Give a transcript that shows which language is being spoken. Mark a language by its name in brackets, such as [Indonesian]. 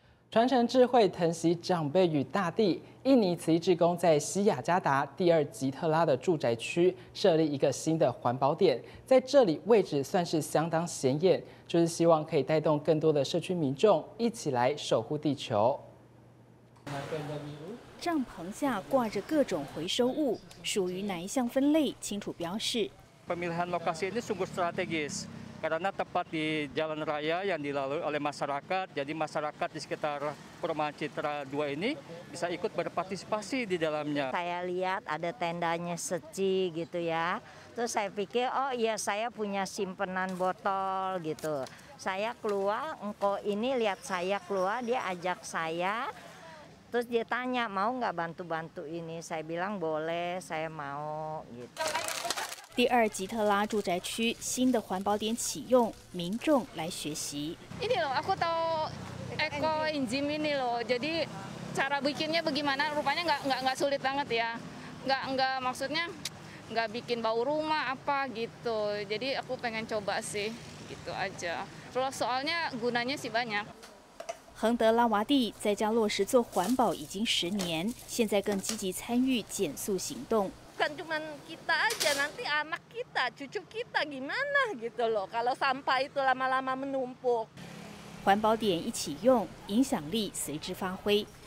[Chinese] 传承智慧，疼惜长辈与大地，印尼慈济志工在西雅加达第二吉特拉的住宅区设立一个新的环保点，在这里位置算是相当显眼，就是希望可以带动更多的社区民众一起来守护地球。帐篷下挂着各种回收物，属于哪一项分类清楚标示。 [Indonesian] Pemilihan lokasi ini sungguh strategis karena tepat di jalan raya yang dilalui oleh masyarakat, jadi masyarakat di sekitar Perumahan Citra 2 ini bisa ikut berpartisipasi di dalamnya. Saya lihat ada tendanya seci gitu ya, terus saya pikir oh iya saya punya simpenan botol gitu. Saya keluar, engko ini lihat saya keluar, dia ajak saya, terus dia tanya mau nggak bantu-bantu ini, saya bilang boleh, saya mau gitu. [Chinese] 第二吉特拉住宅区新的环保点启用，民众来学习。 [Indonesian] Ini loh, aku tahu eco enzyme ini loh. Jadi cara bikinnya bagaimana? Rupanya nggak sulit banget ya. Nggak maksudnya nggak bikin bau rumah apa gitu. Jadi aku pengen coba sih, gitu aja. Terus soalnya gunanya sih banyak. [Chinese] 恒德拉瓦蒂在家落实做环保已经10年，现在更积极参与减塑行动。 [Indonesian] Bukan cuma kita aja, nanti anak kita, cucu kita gimana gitu loh, kalau sampah itu lama-lama menumpuk. [Chinese] 环保点一起用，影响力随之发挥。